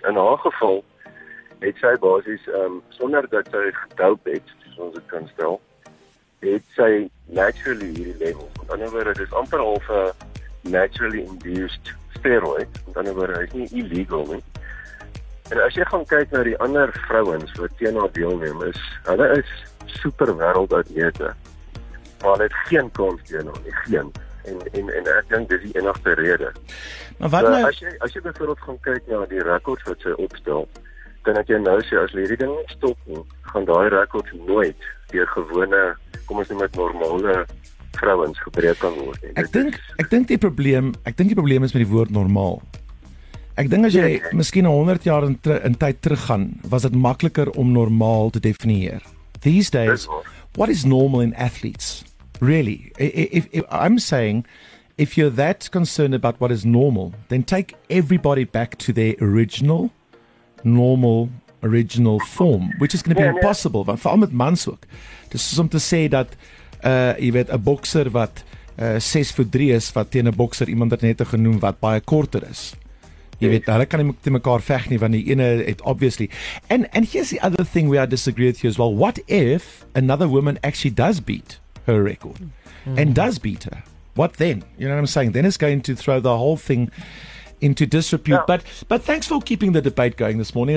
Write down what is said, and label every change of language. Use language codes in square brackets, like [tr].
[af] In haar geval het sy basis, sonder dat sy gedoop het, soos ons het kan stel, het sy naturally hierdie level. Met ander woorde, dit is amper half 'n [en] naturally induced steroid. [af] Met ander woorde, hy is nie illegal nie. En as jy gaan kyk na die ander vrouens wat teen haar deelneem, is hulle is super wêreldatlete. Maar hulle het geen kans teen haar nie, geen. En ek dink dis die enigste rede. Maar wat nou, as jy byvoorbeeld gaan kyk na die records wat sy opstel, kan ek jou nou sê, as hierdie ding nie stop nie, gaan daai records nooit deur gewone, kom ons noem dit normale vrouens gebreek kan word. Ek dink die probleem is met die woord normaal. Ek dink as jy miskien 100 jaar in tyd teruggaan, was dit makliker om normaal te definieer. [en] These days, what is normal in athletes? Really? If I'm saying, if you're that concerned about what is normal, then take everybody back to their original form, which is going to be impossible. [af] Want veral met mans ook. Dis soos om te sê dat jy weet, 'n bokser wat 6'3" is, wat teen 'n bokser iemand wat net genoem wat baie korter is. Jy weet, hulle kan nie teen mekaar veg nie, want die ene het obviously. [en] And here's the other thing we are disagree with you as well. What if another woman actually does beat her record? Mm-hmm. And does beat her? What then? You know what I'm saying? Then it's going to throw the whole thing into disrepute. Yeah. But thanks for keeping the debate going this morning.